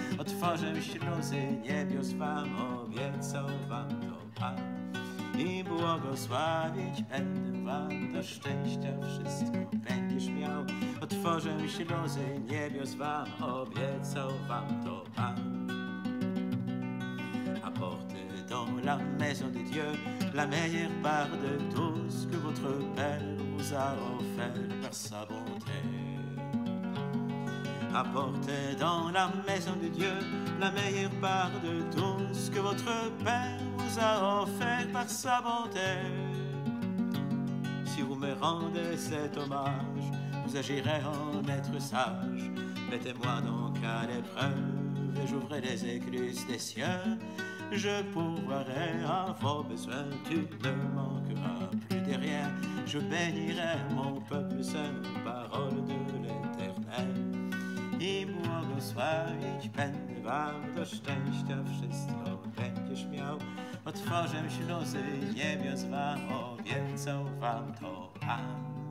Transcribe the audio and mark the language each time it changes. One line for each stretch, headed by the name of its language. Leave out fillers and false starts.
Polish: Otworzę śluzy niebios wam, obiecał wam to Pan. i błogosławić będę wam. Do szczęścia wszystko będziesz miał. Otworzę ślozy niebios wam, obiecał wam to Pan.
French: Apportez dans la maison de Dieu la meilleure part de tout ce que votre père vous a offert par sa bonté. Apportez dans la maison de Dieu la meilleure part de tout ce que votre père vous a offert par sa bonté. Si vous me rendez cet hommage, vous agirez en être sage. Mettez-moi donc à l'épreuve et j'ouvrirai les écluses des cieux. Je pourvoirai à vos besoins, tu ne manqueras plus de rien. Je bénirai mon peuple saint, parole de l'Éternel.
Polish: I błogosławić będę wam, do szczęścia wszystko będziesz miał. Otworzę ślozy niebios wam, obiecał wam to Pan.